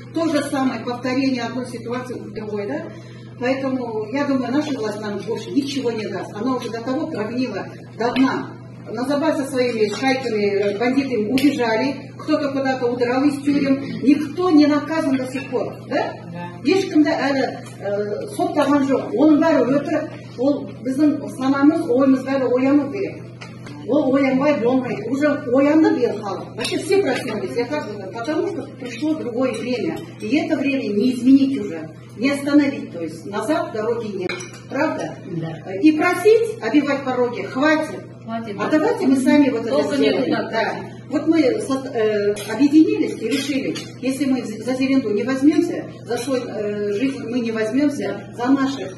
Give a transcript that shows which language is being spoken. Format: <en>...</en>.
<ru>То же самое, повторение одной ситуации в другой, да? Поэтому, я думаю, наша власть нам больше ничего не даст. Она уже до того прогнила, до дна. Назабаться своими шайками, бандитами убежали, кто-то куда-то удрал из тюрем, никто не наказан до сих пор, да?</ru> <kk>Ешкімді әлі соттаған жоқ, оның бәрі өтір, ол біздің санамыз, ойымыз бәрі ояну керек. Ол оянбай, болмай, уже оянды бел халық.</kk> <ru>Вообще все проснулись, я так думаю, потому что пришло другое время. И это время не изменить уже, не остановить, то есть назад дороги нет. Правда? Да. И просить обивать пороги хватит. Хватит. А давайте мы сами вот это сделаем. Да. Вот мы объединились и решили, если мы за Зеренду не возьмемся, за свой жизнь мы не возьмемся, за наши.</ru>